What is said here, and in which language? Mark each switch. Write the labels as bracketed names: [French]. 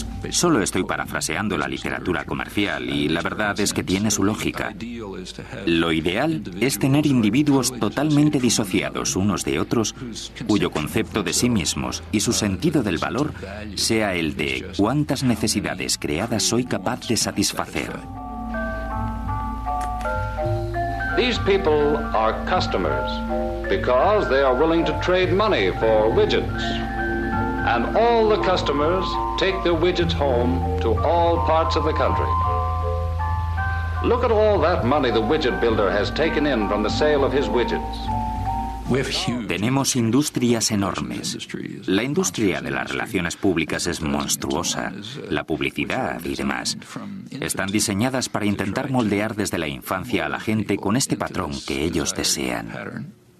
[Spanish] Solo estoy parafraseando la literatura comercial y la verdad es que tiene su lógica. Lo ideal es tener individuos totalmente disociados unos de otros, cuyo concepto de sí mismos y su sentido del valor sea el de cuántas necesidades creadas soy capaz de satisfacer. [English] These people are customers because they are willing to trade money for widgets. And all the customers take their widgets home to all parts of the country. Look at all that money the widget builder has taken in from the sale of his widgets. [Spanish] Tenemos industrias enormes. La industria de las relaciones públicas es monstruosa. La publicidad y demás. Están diseñadas para intentar moldear desde la infancia a la gente con este patrón que ellos desean.